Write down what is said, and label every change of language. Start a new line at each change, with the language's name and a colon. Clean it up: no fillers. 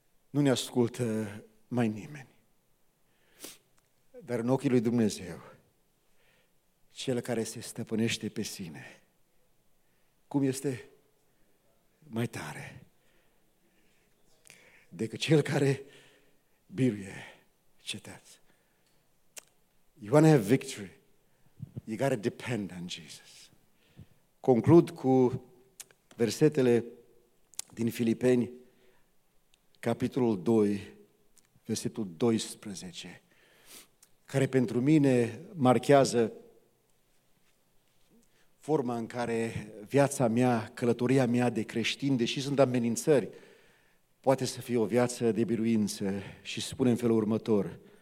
Romanian: Nu ne ascultă mai nimeni. Dar în ochii lui Dumnezeu, cel care se stăpânește pe sine, cum este mai tare decât cel care biruie cetăți.
English: You want to have victory, you got to depend on Jesus.
Romanian: Conclud cu versetele din Filipeni, capitolul 2, versetul 12, care pentru mine marchează forma în care viața mea, călătoria mea de creștin, deși sunt amenințări, poate să fie o viață de biruință și spune în felul următor.